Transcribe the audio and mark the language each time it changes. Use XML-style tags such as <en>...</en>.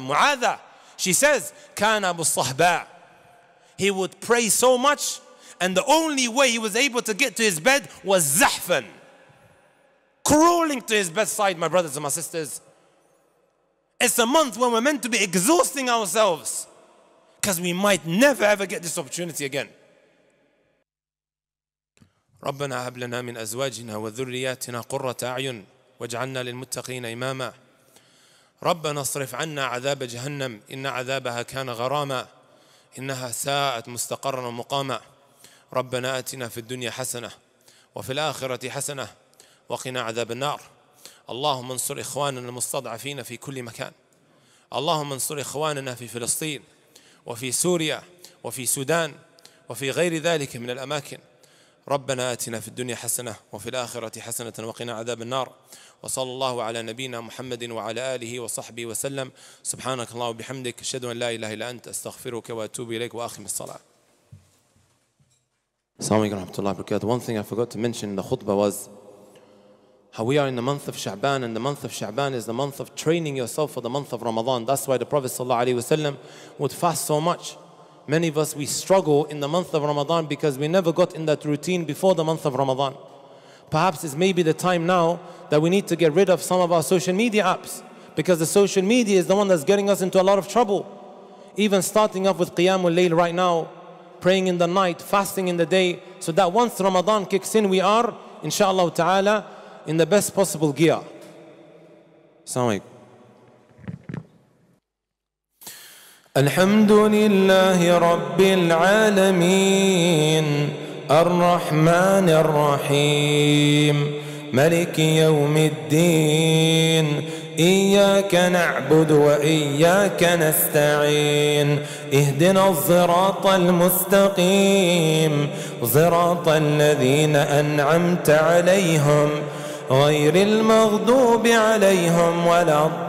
<en>Mu'adha, she says, kana Abu Sahba. He would pray so much, and the only way he was able to get to his bed was zahfan, crawling to his bedside, my brothers and my sisters. It's a month when we're meant to be exhausting ourselves, because we might never ever get this opportunity again.</en> <ar>ربنا هب لنا من أزواجنا وذرياتنا قرة أعين واجعلنا للمتقين إماما ربنا اصرف عنا عذاب جهنم إن عذابها كان غراما إنها ساءت مستقرا ومقاما ربنا آتنا في الدنيا حسنة وفي الآخرة حسنة وقنا عذاب النار اللهم انصر إخواننا المستضعفين في كل مكان اللهم انصر إخواننا في فلسطين وفي سوريا وفي السودان وفي غير ذلك من الأماكن ربنا آتنا في الدنيا حسنة وفي الآخرة حسنة وقنا عذاب النار وصلى الله على نبينا محمد وعلى آله وصحبه وسلم سبحانك الله وبحمدك أشهد أن لا إله إلا أنت أستغفرك وأتوب إليك وأخم الصلاة Assalamu alaikum wa rahmatullahi wa barakatuh.</ar> <en>One thing I forgot to mention in the khutbah was how we are in the month of Sha'ban, and the month of Sha'ban is the month of training yourself for the month of Ramadan. That's why the Prophet sallallahu alaihi wasallam would fast so much. Many of us, we struggle in the month of Ramadan because we never got in that routine before the month of Ramadan. Perhaps it's maybe the time now that we need to get rid of some of our social media apps, because the social media is the one that's getting us into a lot of trouble. Even starting off with Qiyamul Layl right now, praying in the night, fasting in the day, so that once Ramadan kicks in, we are, inshallah ta'ala, in the best possible gear.</en> <ar>Assalamu alaikum. الحمد لله رب العالمين الرحمن الرحيم ملك يوم الدين إياك نعبد وإياك نستعين اهدنا الصراط المستقيم صراط الذين أنعمت عليهم غير المغضوب عليهم ولا</ar>